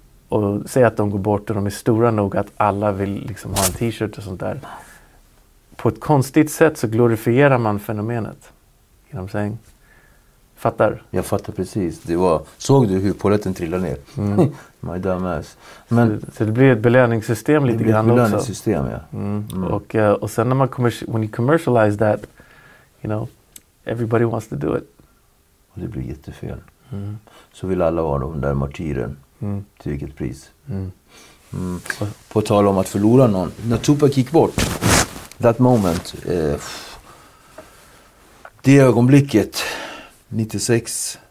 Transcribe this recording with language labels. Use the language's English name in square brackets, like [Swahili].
[Swedish] och säga att de går bort och de är stora nog att alla vill liksom ha en t-shirt och sånt där. På ett konstigt sätt så glorifierar man fenomenet. Genom saying. Fattar? Jag fattar precis. Det var, såg du hur poletten trillade ner? [English] Mm. My damn ass. [Swedish] Men så det blir ett belöningssystem lite grann också. Det blir ett belöningssystem, ja. Mm. Mm. Och sen när man [English] when you commercialize that, you know, everybody wants to do it. [Swedish] Och det blir jättefel. Mm. Så vill alla vara den där martyren. Mm. Till vilket pris. Mm. Mm. På tal om att förlora någon. När Tupac gick bort. [English] That moment. [Swedish] Det ögonblicket. 96.